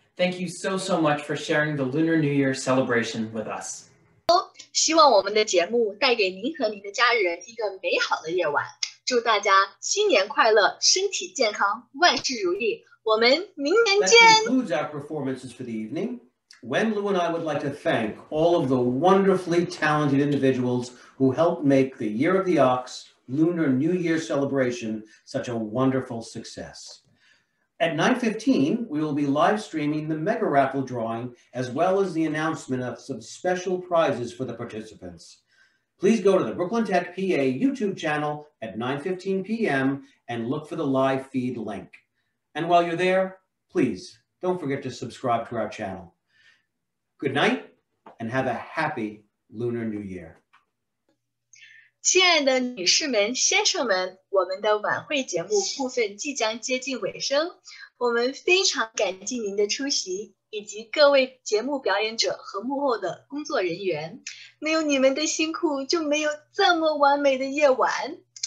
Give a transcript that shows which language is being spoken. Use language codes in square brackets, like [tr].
[en] Thank you so, so much for sharing the Lunar New Year celebration with us. [zh] 希望我们的节目带给您和您的家人一个美好的夜晚。祝大家新年快乐，身体健康，万事如意。我们明年见。 [en] That concludes our performances for the evening. Wenlu and I would like to thank all of the wonderfully talented individuals who helped make the Year of the Ox Lunar New Year celebration such a wonderful success. At 9:15, we will be live streaming the Mega Raffle drawing as well as the announcement of some special prizes for the participants. Please go to the Brooklyn Tech PA YouTube channel at 9:15 p.m. and look for the live feed link. And while you're there, please don't forget to subscribe to our channel. Good night and have a happy Lunar New Year. [zh] 亲爱的女士们、先生们，我们的晚会节目部分即将接近尾声，我们非常感激您的出席以及各位节目表演者和幕后的工作人员，没有你们的辛苦，就没有这么完美的夜晚。